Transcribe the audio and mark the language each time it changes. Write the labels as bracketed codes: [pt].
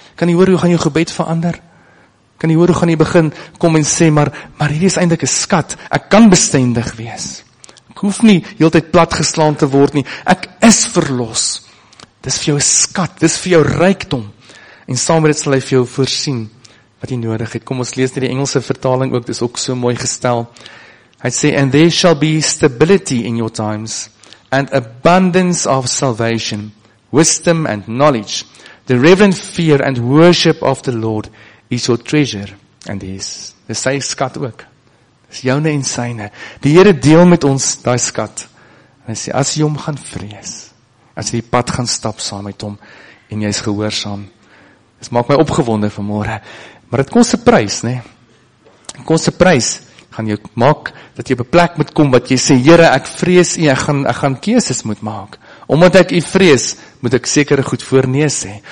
[af] Kan jy hoor hoe gaan jou gebed verander? Kan jy hoor hoe gaan jy begin kom en sê, maar hierdie is eintlik 'n skat, ek kan bestendig wees. Ek hoef nie heeltyd plat geslaan te word nie, ek is verlos. Dis vir jou 'n skat, dis vir jou rykdom, en saam met dit sal hy vir jou voorsien, wat jy nodig het. Kom ons lees net die Engelse vertaling ook, dis ook so mooi gestel. [en] I say, and there shall be stability in your times, and abundance of salvation, wisdom and knowledge. The reverent fear and worship of the Lord is your treasure and his. [af] Dis sy skat ook. Dis joune en syne. Die Here deel met ons daai skat. En hy sê, as jy hom gaan vrees, as jy die pad gaan stap saam met hom, en jy is gehoorsaam, dis maak my opgewonde vanmôre. Maar dit kos 'n prys, né? Dit kos 'n prys. Gaan jy maak dat jy op 'n plek moet kom wat jy sê, Here, ek vrees U, ek gaan keuses moet maak. Omdat ek U vrees, moet ek sekere goed voornee sê.